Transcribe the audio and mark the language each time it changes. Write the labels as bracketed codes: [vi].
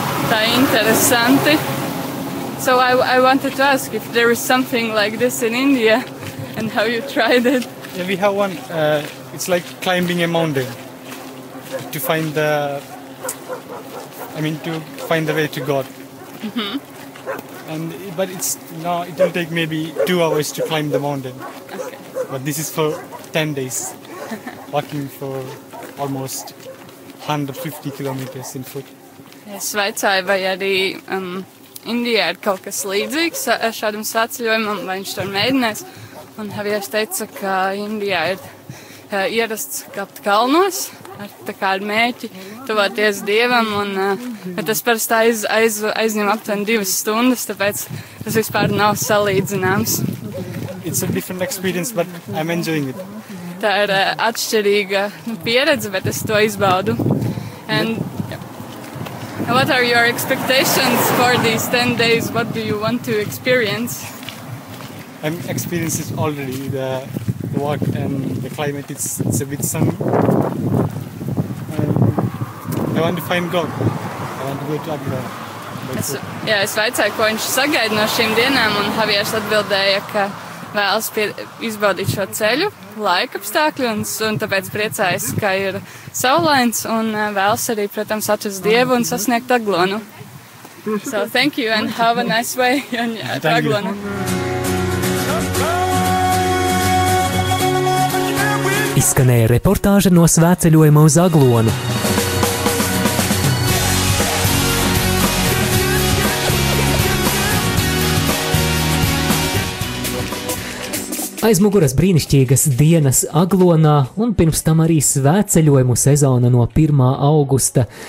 [lv] Tā interesanti. [en] So I wanted to ask if there is something like this in India and how you tried it. Yeah, we have one. It's like climbing a mountain to find the way to God. Mm-hmm. And but it's now it will take maybe 2 hours to climb the mountain. Okay. But this is for 10 days, walking for almost 150 kilometers in foot. [lv] Es vaicāju, vai arī Indijā ir kaut kas līdzīgs šādam svētceļojumam, vai viņš tur mēģinās. Un Javiers teica, ka Indijā ir ierasts kāpt kalnos, ar, tā kā ar mēķi tuvoties Dievam. Un tas parasti aizņem aptuveni 2 stundas, tāpēc tas vispār nav salīdzināms. [en] It's a different experience, but I'm enjoying it. [lv] Tā ir atšķirīga pieredze, bet es to izbaudu. [en] And, what are your expectations for these 10 days? What do you want to experience? I'm experiencing already the walk and the climate. It's a bit sunny. I want to find God. I want to go to Aglona. Jā, es vaicāju, ko viņš sagaida no šīm dienām, un Javiers atbildēja, ka vēlas izbaudīt šo ceļu, laika apstākļu, un tāpēc priecājas, ka ir saulains, un vēlas arī, protams, atrast Dievu un sasniegt Aglonu. So, thank you, and have a nice way on Aglonu. [lv] Izskanēja reportāža no svētceļojuma uz Aglonu. Aiz muguras brīnišķīgas dienas Aglonā un pirms tam arī svētceļojumu sezona no 1. augusta.